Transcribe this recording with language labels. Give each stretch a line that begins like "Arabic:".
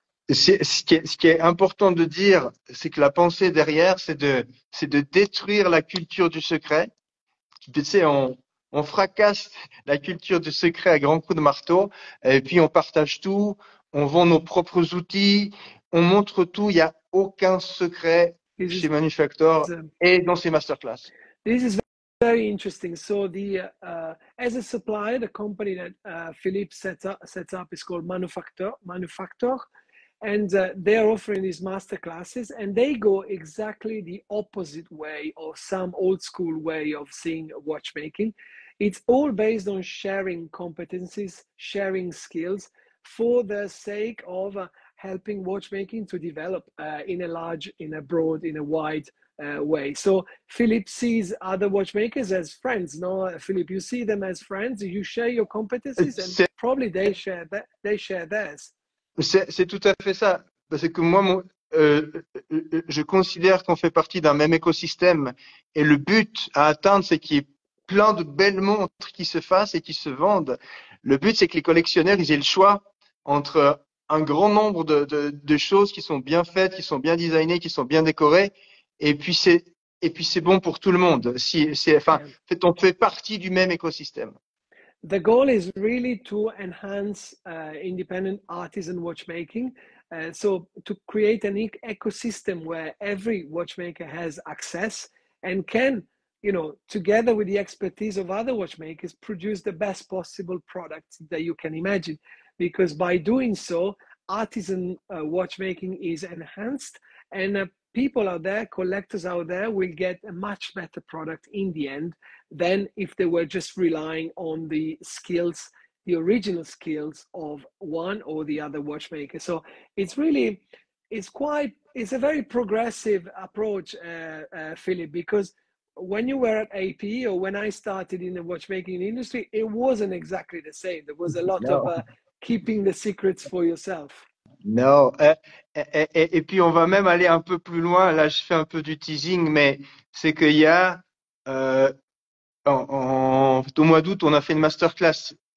French: Ce qui est important de dire, c'est que la pensée derrière, c'est de détruire la culture du secret. Tu sais, on fracasse la culture du secret à grands coups de marteau, et puis on partage tout, on vend nos propres outils, on montre tout. Il n'y a aucun secret chez Manufactor et dans ces masterclass.
English: This is very interesting. So the as a supplier, the company that Philippe sets up is called Manufactor, and they are offering these master classes, and they go exactly the opposite way of some old school way of seeing watchmaking. It's all based on sharing competencies, sharing skills for the sake of helping watchmaking to develop in a large, in a broad, in a wide way. So Philippe sees other watchmakers as friends. No, Philippe, you see them as friends. You share your competencies, and probably they share theirs.
French: C'est tout à fait ça, parce que moi, je considère qu'on fait partie d'un même écosystème, et le but à atteindre, c'est qu'il y ait plein de belles montres qui se fassent et qui se vendent. Le but, c'est que les collectionneurs, ils aient le choix entre un grand nombre de choses qui sont bien faites, qui sont bien designées, qui sont bien décorées, et puis c'est bon pour tout le monde. Enfin,
English: Yeah.
French: on fait partie du même écosystème.
English: The goal is really to enhance independent artisan watchmaking. So to create an ecosystem where every watchmaker has access and can, you know, together with the expertise of other watchmakers, produce the best possible product that you can imagine. Because by doing so, artisan watchmaking is enhanced, and people out there, collectors out there, will get a much better product in the end than if they were just relying on the skills, the original skills of one or the other watchmaker. So it's really, it's a very progressive approach, Philip, because when you were at AP or when I started in the watchmaking industry, it wasn't exactly the same. There was a lot of
French: Non.
English: keeping the secrets for yourself.
French: Non. Et puis on va même aller un peu plus loin. Là, je fais un peu du teasing, mais c'est qu'il y a au mois d'août, on a fait une masterclass.